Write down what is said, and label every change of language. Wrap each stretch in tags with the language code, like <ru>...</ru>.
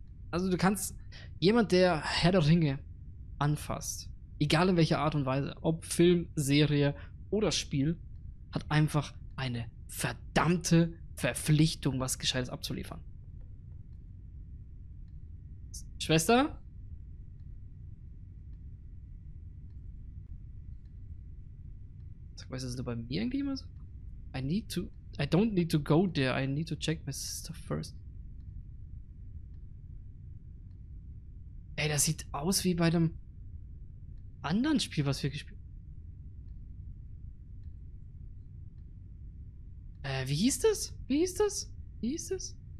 <de>Also du kannst jemand, der Herr der Ringe anfasst, egal in welcher Art und Weise, ob Film, Serie oder Spiel, hat einfach eine verdammte Verpflichtung, was Gescheites abzuliefern. Schwester? Weißt du, ist das bei mir irgendwie immer so?</de> <en>I don't need to go there. I need to check my sister first.</en> <de>Ey, das sieht aus wie bei dem anderen Spiel, was wir gespielt haben. Wie hieß das?</de>